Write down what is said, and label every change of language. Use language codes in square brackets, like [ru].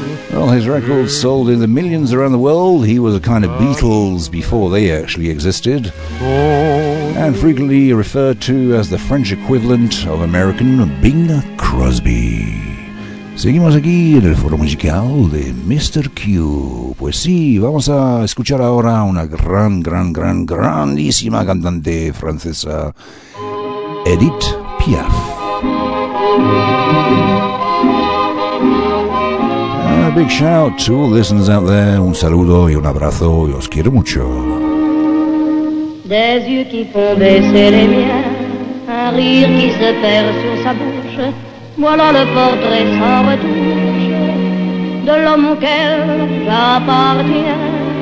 [en] Well, his records sold in the millions around the world. He was a kind of Beatles before they actually existed, and frequently referred to as the French equivalent of American Bing Crosby. [es] Seguimos aquí en el foro musical de Mr. Q. Pues sí, vamos a escuchar ahora una gran, gran, gran, grandísima cantante francesa, Edith Piaf. [en] A big shout to all listeners out there. [es] Un saludo y un abrazo. Y os quiero mucho. [fr] Des yeux qui font baisser les miens, un rire qui se perd sur sa bouche, voilà le portrait sans retouche de l'homme auquel j'appartiens.